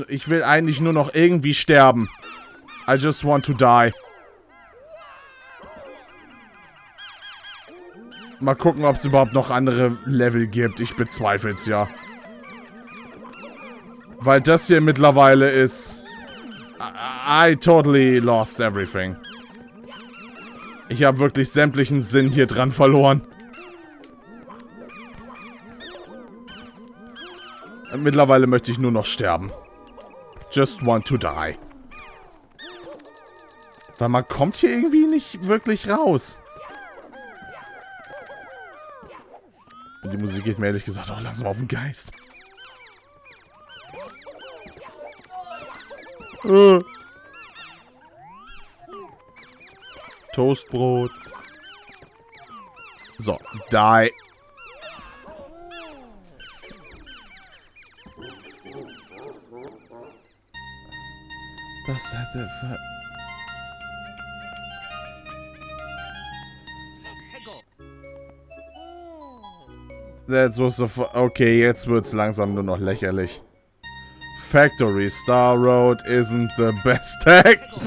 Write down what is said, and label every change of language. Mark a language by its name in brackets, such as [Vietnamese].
[German] Ich will eigentlich nur noch irgendwie sterben. [English] I just want to die. [German] Mal gucken, ob es überhaupt noch andere Level gibt. Ich bezweifle es ja. Weil das hier mittlerweile ist... [English] I totally lost everything. [German] Ich habe wirklich sämtlichen Sinn hier dran verloren. Und mittlerweile möchte ich nur noch sterben. [English] Just want to die. [German] Weil man kommt hier irgendwie nicht wirklich raus. Und die Musik geht mir ehrlich gesagt auch langsam auf den Geist. Toastbrot. So, die. Was ist das denn für... [English] That was the okay, [German] jetzt wird's langsam nur noch lächerlich. [English] Factory Star Road isn't the best tag.